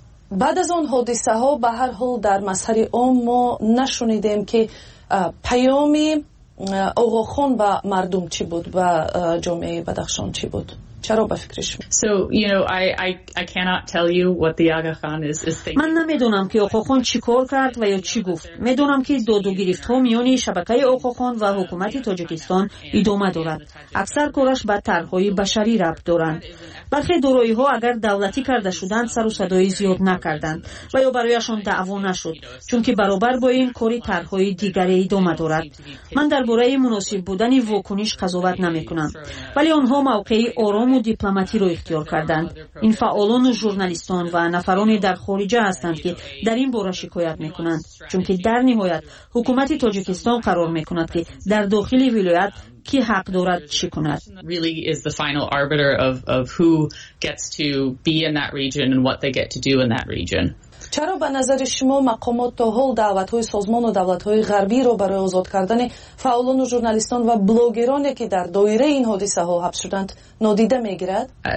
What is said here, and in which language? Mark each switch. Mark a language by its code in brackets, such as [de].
[fa] بعد از آن حادثه ها به هر حال در مسیر عام ما نشنیدیم که پیامی آقاخان با مردم چی بود و جامعه بدخشان چی بود؟ چرا به فکرش؟ [en] I cannot tell you what the Aga Khan is thinking. [fa] من نمیدونم که آقاخان چی کار کرد و یا چی گفت. میدونم که داد و گرفت ها میان شبکه آقاخان و حکومت تاجیکستان ادامه دارد. اکثر کارش با طرح‌های بشری ربط دارند. برخی دارایی ها اگر دولتی کرده شدند سر و صدای زیاد نکردند و یا برایشان دعوا نشد، چون که برابر با این کاری طرح‌های دیگری ادامه دارد. من درباره مناسب بودن واکنش قضاوت نمی‌کنم، ولی آنها موقعی آرام و دیپلماتی را اختیار کردند. این فعالان و ژورنالیستان و نفران در خارجه هستند که در این باره شکایت می‌کنند، چون که در نهایت حکومت تاجیکستان قرار می‌کند که در داخل ولایت کی حق دارد چی کند. [en] Really is the final arbiter of who gets to be in that region and what they get to do in that region. [fa] چرا به نظر شما مقامات تا حال دعوت‌های سازمان و دولت‌های غربی را برای آزاد کردن فعالان و ژورنالیستان و بلاگرانی که در دایره این حادثه ها حبس شدند نادیده می‌گیرد؟